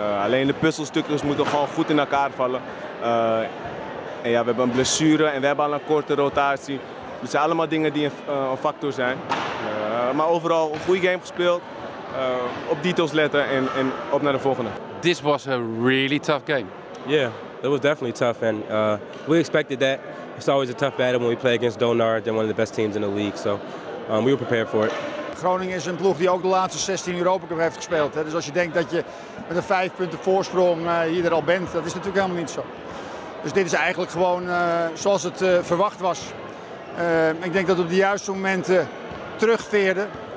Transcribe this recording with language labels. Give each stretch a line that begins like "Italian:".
Dutch: Alleen de puzzelstukjes moeten gewoon goed in elkaar vallen. En ja, we hebben een blessure en we hebben al een korte rotatie. Dat zijn allemaal dingen die een factor zijn. Maar overal een goede game gespeeld, op details letten en op naar de volgende.
English: This was a really tough game. Yeah, it was definitely tough and we expected that. It's always a tough battle when we play against Donar, they're one of the best teams in the league. So we were prepared for it.
Dutch: Groningen is een ploeg die ook de laatste 16 Europa Cup heeft gespeeld. Hè? Dus als je denkt dat je met een 5 punten voorsprong hier er al bent, dat is natuurlijk helemaal niet zo. Dus dit is eigenlijk gewoon zoals het verwacht was. Ik denk dat we op de juiste momenten terugveerden.